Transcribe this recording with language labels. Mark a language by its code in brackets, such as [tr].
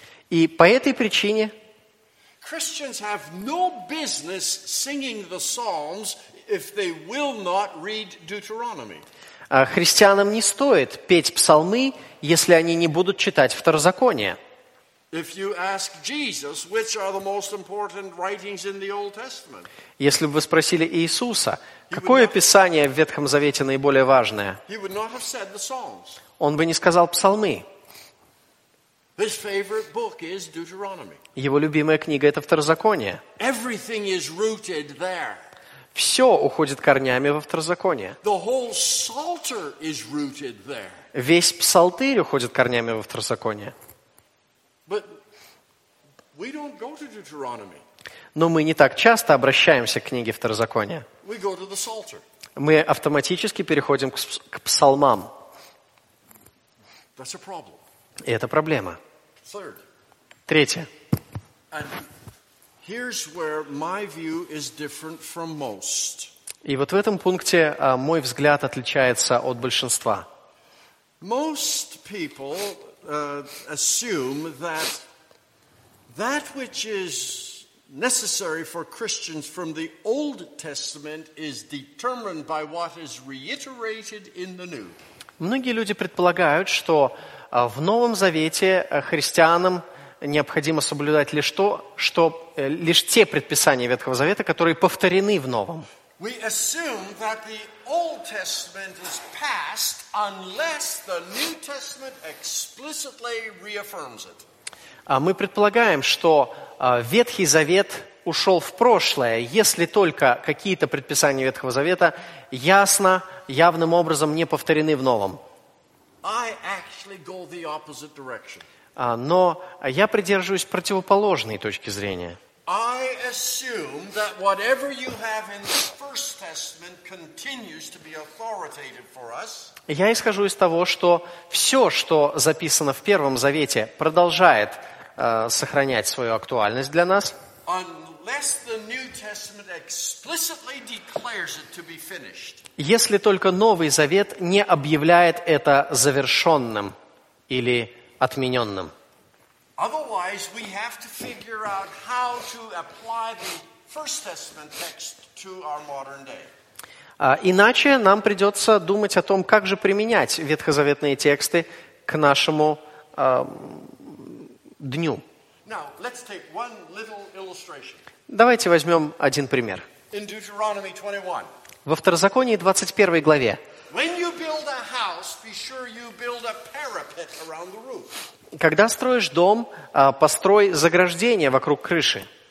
[ru] И по этой причине христианам не стоит петь псалмы, если они не будут читать Второзаконие. [en] If you ask Jesus, which are the most important writings in the Old Testament? [ru] Если бы вы спросили Иисуса, какое писание в Ветхом Завете наиболее важное? [en] He would not have said the Psalms. [ru] Он бы не сказал псалмы. [en] His favorite book is Deuteronomy. [ru] Его любимая книга это Второзаконие. [en] Everything is rooted there. [ru] Все уходит корнями во Второзаконие. [en] The whole Psalter is rooted there. [ru] Весь псалтырь уходит корнями во Второзаконие. [en] But we don't go to Deuteronomy. [ru] Но мы не так часто обращаемся к книге Второзакония. [en] We go to the Psalter. [ru] Мы автоматически переходим к псалмам. [en] That's a problem. [ru] И это проблема. [en] Third. [ru] Третье. [en] And here's where my view is different from most. [ru] И вот в этом пункте мой взгляд отличается от большинства. [en] Most people assume that that which is necessary for Christians from the Old Testament is determined by what is reiterated in the New. [ru] Многие люди предполагают, что в Новом Завете христианам необходимо соблюдать лишь то, что лишь те предписания Ветхого Завета, которые повторены в Новом. [en] We assume that the Old Testament is past unless the New Testament explicitly reaffirms it. [ru] Мы предполагаем, что Ветхий Завет ушел в прошлое, если только какие-то предписания Ветхого Завета ясно, явным образом не повторены в Новом. [en] I actually go the opposite direction. [ru] Но я придерживаюсь противоположной точки зрения. [en] I assume that whatever you have in the First Testament continues to be authoritative for us. [ru] Я исхожу из того, что все, что записано в Первом Завете, продолжает сохранять свою актуальность для нас. [en] Unless the New Testament explicitly declares it to be finished. [ru] Если только Новый Завет не объявляет это завершенным или отмененным. [en] Otherwise, we have to figure out how to apply the First Testament text to our modern day. [ru] Иначе нам придется думать о том, как же применять ветхозаветные тексты к нашему дню. [en] Now, let's take one little illustration. [ru] Давайте возьмем один пример. [en] In Deuteronomy 21. [ru] Во Второзаконии 21 главе. [en] When you build a house, be sure you build a parapet around the roof. [ru] Когда строишь дом, построй заграждение вокруг крыши.